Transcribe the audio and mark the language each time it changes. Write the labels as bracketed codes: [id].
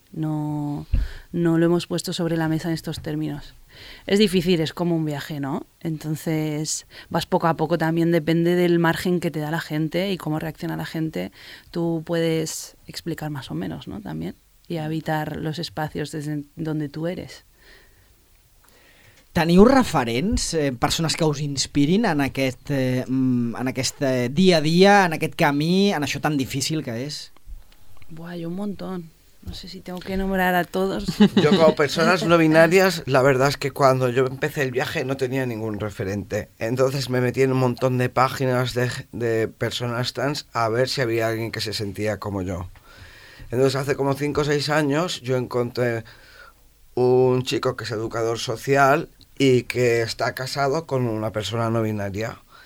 [es] no lo hemos puesto sobre la mesa en estos términos. Es difícil, es como un viaje, ¿no? Entonces vas poco a poco, también depende del margen que te da la gente y cómo reacciona la gente, tú puedes explicar más o menos, ¿no? También, y habitar los espacios desde donde tú eres. [ca] Teniu referents, persones que us inspirin en aquest, en aquest dia a dia, en aquest camí, en això tan difícil que és? [es] Buah, hay un montón. No sé si tengo que nombrar a todos. Yo como personas no binarias, la verdad es que cuando yo empecé el viaje no tenía ningún referente. Entonces me metí en un montón de páginas de personas trans a ver si había alguien que se sentía como yo. Entonces hace como 5 o 6 años yo encontré un chico que es educador social y que está casado con una persona no binaria.